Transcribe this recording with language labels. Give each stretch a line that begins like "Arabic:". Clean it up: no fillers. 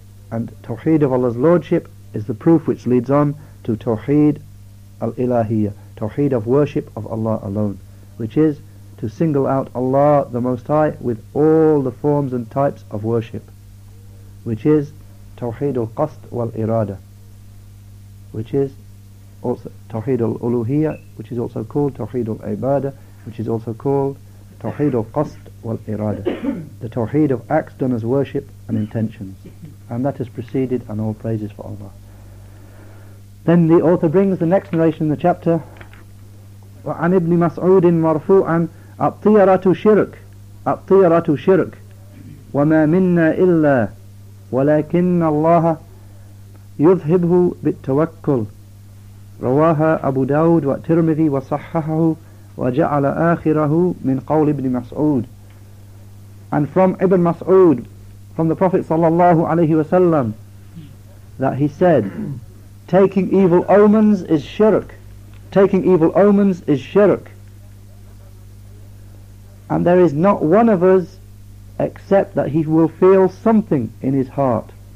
English: And Tawheed of Allah's Lordship is the proof which leads on to Tawheed al-Ilahiyya, Tawheed of worship of Allah alone, which is to single out Allah the Most High with all the forms and types of worship, which is Tawheed al-Qasd wal-Irada, which is also Tawheed al-Uluhiyya, which is also called Tawheed al-Ibadah, which is also called Tawheed al-Qasd wal-Irada, the Tawheed of acts done as worship and intentions. And that is preceded and all praises for Allah. Then the author brings the next narration in the chapter.
Arabic: وَعَنِ ابْنِ مَسْعُودٍ مَرْفُوعًا أَطِّيَرَةُ شِرْكُ أَطِّيَرَةُ شِرْكُ وَمَا مِنَّا إِلَّا وَلَكِنَّ اللَّهَ يُذْهِبْهُ بِالتَّوَكُّلِ رواها أبو داود والترمذي وصححه وجعل آخره من قول ابن مسعود.
English: And from Ibn Mas'ud, from the Prophet sallallahu alayhi wa sallam, that he said, taking evil omens is shirk. Taking evil omens is shirk. And there is not one of us except that he will feel something in his heart.